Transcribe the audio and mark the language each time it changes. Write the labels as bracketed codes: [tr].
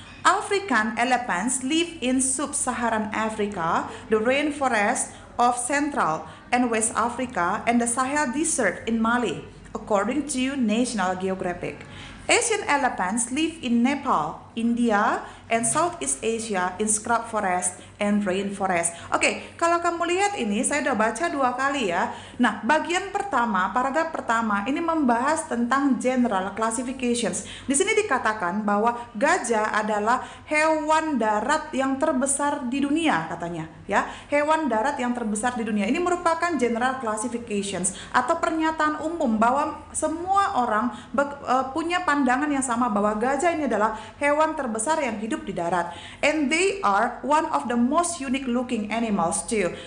[en] African elephants live in sub-Saharan Africa, the rainforest of Central and West Africa, and the Sahel Desert in Mali, according to National Geographic. Asian elephants live in Nepal, India, and Southeast Asia in scrub forest and rainforest. [id] Oke, okay, kalau kamu lihat ini, saya udah baca dua kali ya. Nah, bagian pertama, paragraf pertama, ini membahas tentang general classifications. Di sini dikatakan bahwa gajah adalah hewan darat yang terbesar di dunia, katanya. Ya, hewan darat yang terbesar di dunia. Ini merupakan general classifications atau pernyataan umum bahwa semua orang punya pandangan yang sama bahwa gajah ini adalah hewan terbesar yang hidup di darat. [en] And they are one of the most unique looking animals too.